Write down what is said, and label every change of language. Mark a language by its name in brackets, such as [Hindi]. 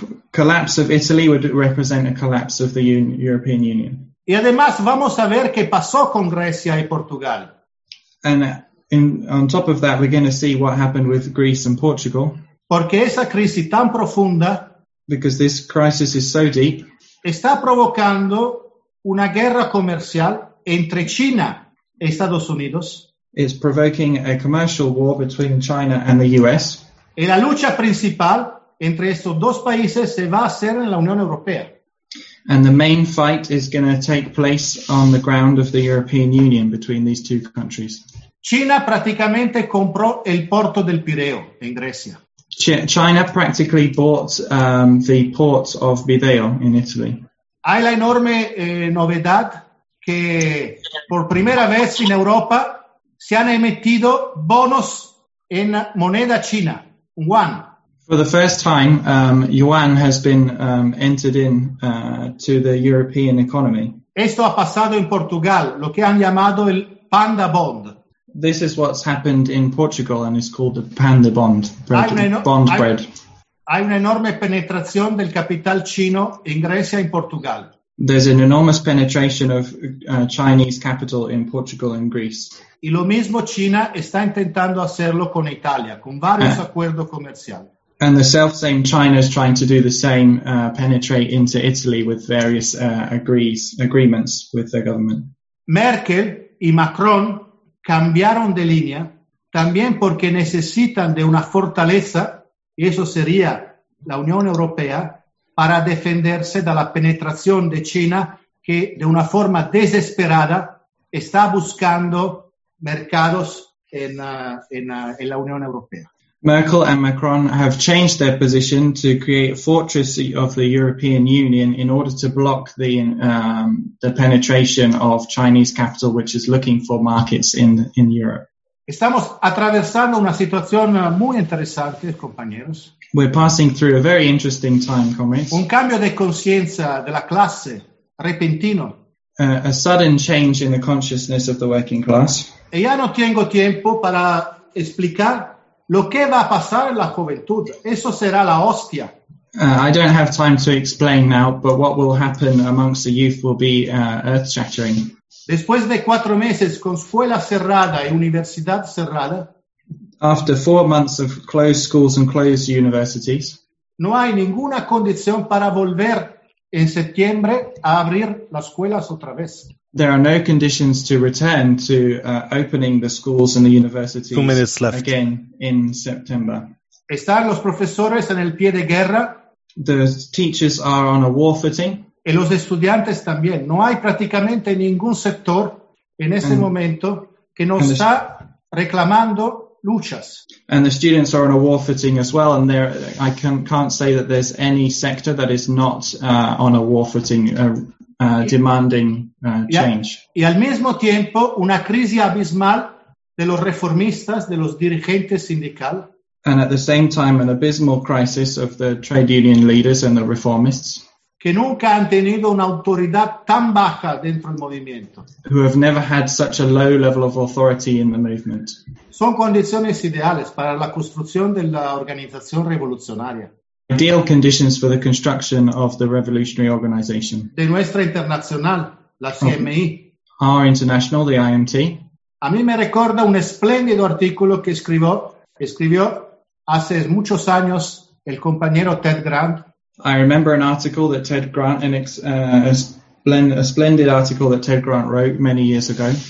[English] Collapse of Italy would represent a collapse of the European Union. [Spanish] Y además vamos a ver qué pasó con Grecia y Portugal. [English] On top of that, we're going to see what happened with Greece and Portugal. [Spanish] Porque esa crisis tan profunda, [English] because this crisis is so deep, [Spanish] está provocando una guerra comercial entre China y Estados Unidos. [English] It's provoking a commercial war between China and the US. [Spanish] Y la lucha principal entre estos dos países se va a hacer en la Unión Europea. [English] And the main fight is going to take place on the ground of the European Union between these two countries. [Spanish] China prácticamente compró el puerto del Pireo en Grecia. [English] China practically bought the port of Pireo in Italy. [Spanish] Hay la enorme novedad que por primera vez en Europa se han emitido bonos en moneda china, yuan. [English] For the first time, yuan has been entered in to the European economy. [Spanish] Esto ha pasado en Portugal, lo que han llamado el panda bond. [English] This is what's happened in Portugal and is called the panda bond, bond bread. [Spanish] Hay una enorme penetración del capital chino en Grecia y Portugal. [English] There's an enormous penetration of Chinese capital in Portugal and Greece. [Spanish] Y lo mismo China está intentando hacerlo con Italia, con varios acuerdos comerciales. [English] And the self-same China is trying to do the same, penetrate into Italy with various agreements with their government. [Spanish] Merkel y Macron cambiaron de línea también porque necesitan de una fortaleza, y eso sería la Unión Europea, para defenderse de la penetración de China que de una forma desesperada está buscando mercados en la Unión Europea. [English] Merkel and Macron have changed their position to create a fortress of the European Union in order to block the penetration of Chinese capital, which is looking for markets in Europe. [Spanish] Estamos atravesando una situación muy interesante, compañeros. [English] We're passing through a very interesting time, comrades. [Spanish] Un cambio de conciencia de la clase, repentino. [English] A sudden change in the consciousness of the working class. [Spanish] Y ya no tengo tiempo para explicar lo que va a pasar en la juventud. Eso será la hostia. [English] I don't have time to explain now, but what will happen amongst the youth will be earth-shattering. [Spanish] Después de 4 meses con escuela cerrada y universidad cerrada, [English] after 4 months of closed schools and closed universities, [Spanish] no hay ninguna condición para volver en septiembre a abrir las escuelas otra vez. [English] There are no conditions to return to opening the schools and the universities 2 minutes left. Again in September. [Spanish] Están los profesores en el pie de guerra. [English] The teachers are on a war footing. [Spanish] Y los estudiantes también. No hay prácticamente ningún sector en ese momento que no está reclamando luchas. [English] And the students are on a war footing as well, and there I can't say that there's any sector that is not on a war footing demanding change. [Spanish] Y al mismo tiempo una crisis abismal de los reformistas, de los dirigentes sindical. [English] And at the same time an abysmal crisis of the trade union leaders and the reformists. [Spanish] Que nunca han tenido una autoridad tan baja dentro del movimiento. [English] Who have never had such a low level of authority in the movement. [Spanish] Son condiciones ideales para la construcción de la organización revolucionaria. [English] Ideal conditions for the construction of the revolutionary organization. [Spanish] De nuestra internacional, la CMI. [English] Our international, the IMT. [Spanish] A mí me recuerda un espléndido artículo que escribió hace muchos años el compañero Ted Grant. [English] I remember an article that Ted Grant, a splendid article that Ted Grant wrote many years ago.